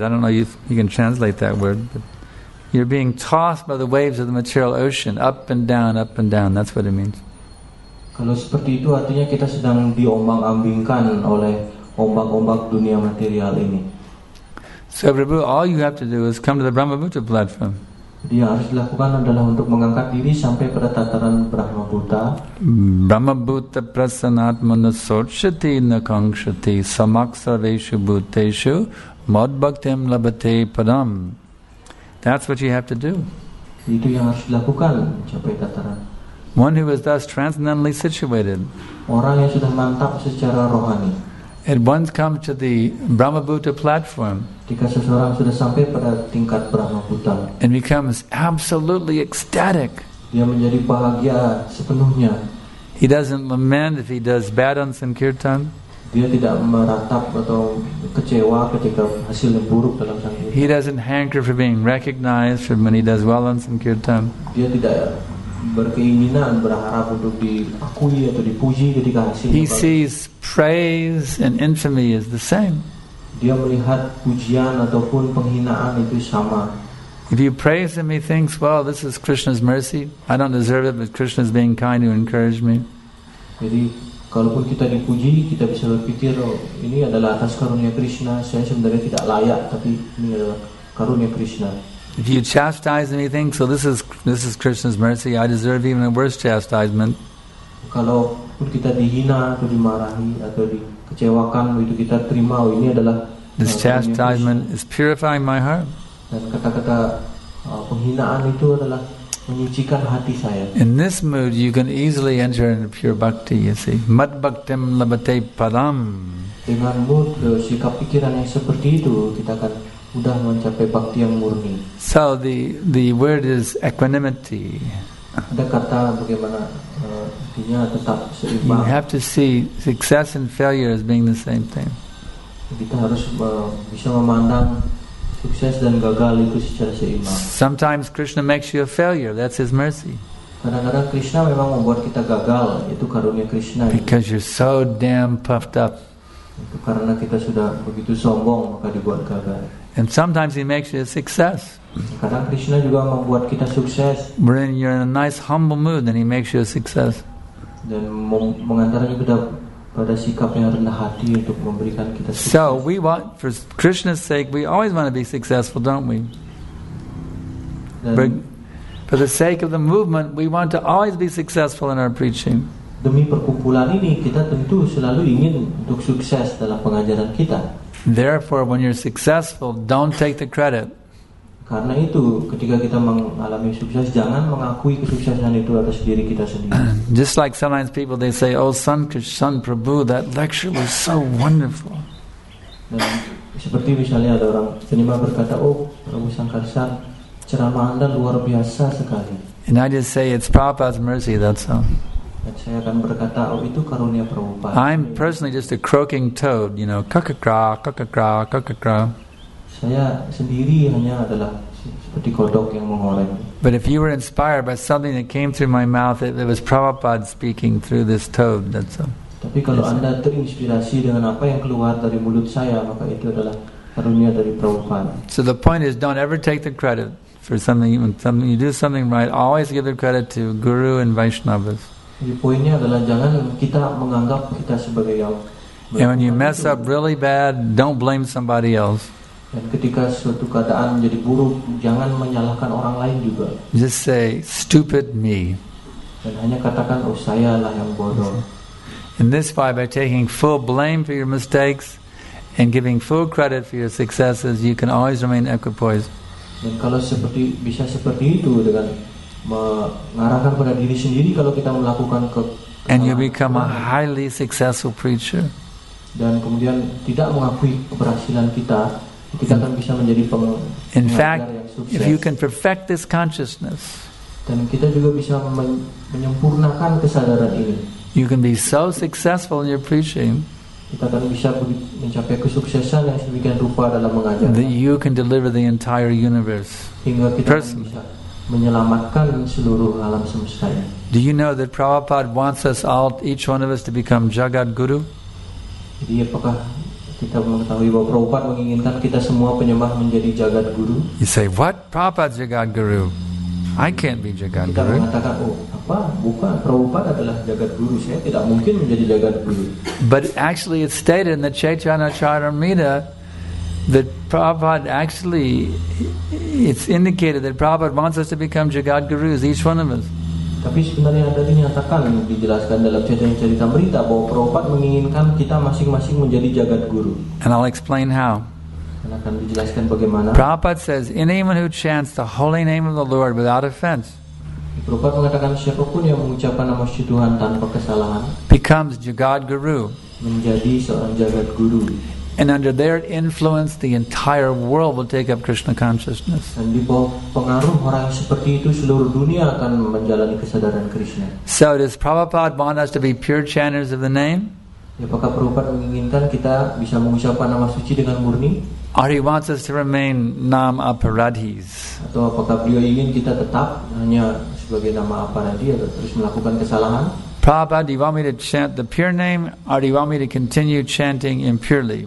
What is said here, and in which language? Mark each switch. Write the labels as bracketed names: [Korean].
[English] I don't know if you can translate that word, but you're being tossed by the waves of the material ocean, up and down, that's what it means. [Indonesian] Kalau seperti itu artinya kita sedang diombang-ambingkan oleh ombak-ombak dunia material ini. [English] So Prabhu, all you have to do is come to the Brahmabhuta platform. [Indonesian] Jadi yang harus dilakukan adalah untuk mengangkat diri sampai pada tataran Brahmabhuta. [Sanskrit] Brahmabhuta prasanatmana sorshati nakangshati samaksaveshu bhuteshu madbhaktim labhate padam. [English] That's what you have to do. [Indonesian] Itu yang harus dilakukan, sampai tataran. [English] One who is thus transcendentally situated. [Indonesian] Orang yang sudah mantap secara rohani. [English] At once come to the Brahmabhuta platform. [Indonesian] Jika seseorang sudah sampai pada tingkat Brahmabhuta, [English] and becomes absolutely ecstatic. [Indonesian] Dia menjadi bahagia sepenuhnya. [English] He doesn't lament if he does bad on sankirtan. [Indonesian] Dia tidak meratap atau kecewa ketika hasil yang buruk dalam sankirtan. [English] He doesn't hanker for being recognized for when he does well on sankirtan. [Indonesian] Dia tidak berkeinginan, berharap untuk diakui atau dipuji ketika hasil. [English] He sees praise and infamy as the same. [Indonesian] Dia melihat pujian ataupun penghinaan itu sama. [English] If you praise him, he thinks, well, this is Krishna's mercy. I don't deserve it, but Krishna is being kind to encourage me. [Indonesian] Jadi, kalaupun kita dipuji, kita bisa berpikir, oh, ini adalah atas karunia Krishna. Saya sebenarnya tidak layak, tapi ini adalah karunia Krishna. [English] If you chastise him, he thinks, so this is Krishna's mercy. I deserve even a worse chastisement. [Indonesian] Kalaupun kita dihina atau dimarahi atau dikecewakan, itu kita terima. Oh, ini adalah [English] this chastisement is purifying my heart. [Indonesian] Dan kata-kata penghinaan itu adalah menyucikan hati saya. [English] In this mood, you can easily enter into pure bhakti. You see, [Sanskrit] mad bhaktim labhate padam. [Indonesian] Dengan mood, sikap pikiran yang seperti itu, kita akan udah mencapai bhakti yang murni. [English] So the word is equanimity. [Indonesian] Ada kata bagaimana artinya tetap seimbang. [English] You have to see success and failure as being the same thing. [Indonesian] Kita harus bisa memandang sukses dan gagal itu secara seimbang. [English] Sometimes Krishna makes you a failure. That's his mercy. [Indonesian] Kadang-kadang Krishna memang membuat kita gagal. Itu karunia Krishna. [English] Because you're so damn puffed up. [Indonesian] Itu karena kita sudah begitu sombong maka dibuat gagal. [English] And sometimes he makes you a success. [Indonesian] Kadang Krishna juga membuat kita sukses. [English] When you're in a nice humble mood, then he makes you a success. [Indonesian] Dan mengantarnya pada sikap yang rendah hati untuk memberikan kita sukses. [English] So we want, for Krishna's sake, we always want to be successful, don't we? For the sake of the movement, we want to always be successful in our preaching. [Indonesian] Demi perkumpulan ini, kita tentu selalu ingin untuk sukses dalam pengajaran kita. [English] Therefore, when you're successful, don't take the credit. [Indonesian] Karena itu, ketika kita mengalami sukses, jangan mengakui kesuksesan itu atas diri kita sendiri. [English] Just like sometimes people, they say, "Oh, Sankarsan Prabhu, that lecture was so wonderful." [Indonesian] Dan seperti misalnya ada orang seniman berkata, "Oh, Prabhu Sankarsan, ceramah Anda luar biasa sekali." [English] And I just say, "It's Prabhupada's mercy, that's all." [Indonesian] Dan saya akan berkata, "Oh, itu karunia Prabhupada." [English] I'm personally just a croaking toad, you know, kakakra, kakakra, kakakra. [Indonesian] Saya sendiri hanya adalah seperti kodok yang mengoreng. [English] But if you were inspired by something that came through my mouth, it was Prabhupada speaking through this toad. That's all. [Indonesian] Tapi kalau Anda terinspirasi dengan apa yang keluar dari mulut saya, maka itu adalah karunia dari Prabhupada. [English] So the point is, don't ever take the credit for something. When something you do something right, always give the credit to Guru and Vaishnavas. [Indonesian] Jadi poinnya adalah jangan kita menganggap kita sebagai yang. [English] And when you mess up really bad, don't blame somebody else. [Indonesian] Dan ketika suatu keadaan menjadi buruk, jangan menyalahkan orang lain juga. [English] Just say, "Stupid me." [Indonesian] Dan hanya katakan, "Oh, sayalah yang bodoh." [English] In this way, by taking full blame for your mistakes and giving full credit for your successes, you can always remain equipoised. [Indonesian] Dan kalau seperti bisa seperti itu dengan mengarahkan pada diri sendiri, kalau kita melakukan [English] and you become a highly successful preacher. [Indonesian] Dan kemudian tidak mengakui keberhasilan kita. Kita akan bisa menjadi pengajar yang sukses. [English] If you can perfect this consciousness, [Indonesian] dan kita juga bisa menyempurnakan kesadaran ini. [English] You can be so successful in your preaching. [Indonesian] Kita akan bisa mencapai kesuksesan yang sedemikian rupa dalam mengajar. [English] That you can deliver the entire universe. [Indonesian] Hingga kita bisa menyelamatkan seluruh alam semesta. [English] Do you know that Prabhupada wants us all, each one of us, to become Jagat Guru? [Indonesian] Jadi apakah kita mengetahui bahwa Prabhupada menginginkan kita semua penyembah menjadi Jagat Guru? [English] You say, "What? Prabhupada Jagat Guru? I can't be Jagat [Indonesian] kita [English] Guru." [Indonesian] Kita mengatakan, "Oh, apa? Bukan, Prabhupada adalah Jagat Guru. Saya tidak mungkin menjadi Jagat Guru." [English] But actually it's stated in the Chaitanya Charitamrita that Prabhupada actually, it's indicated that Prabhupada wants us to become Jagat Gurus, each one of us. [Indonesian] Tapi sebenarnya ada dinyatakan, dijelaskan dalam cerita-cerita bahwa Prabhupada menginginkan kita masing-masing menjadi Jagat Guru. [English] And I'll explain how. [Indonesian] Dan akan dijelaskan bagaimana. [English] Prabhupada says, "Anyone who chants the holy name of the Lord without offense." [Indonesian] Prabhupada mengatakan siapapun yang mengucapkan nama suci Tuhan tanpa kesalahan [English] becomes Jagat Guru. [Indonesian] Menjadi seorang Jagat Guru. [English] And under their influence, the entire world will take up Krishna consciousness. [Indonesian] And di bawah pengaruh orang seperti itu, seluruh dunia akan menjalani kesadaran Krishna. [English] So does Prabhupada want us to be pure chanters of the name? [Indonesian] Apakah Prabhupada menginginkan kita bisa mengucapkan nama suci dengan murni? [English] Or he wants us to remain nam aparadhis? [Indonesian] Atau apakah beliau ingin kita tetap hanya sebagai nama aparadhi atau terus melakukan kesalahan? [English] Prabhupada, do you want me to chant the pure name or do you want me to continue chanting impurely?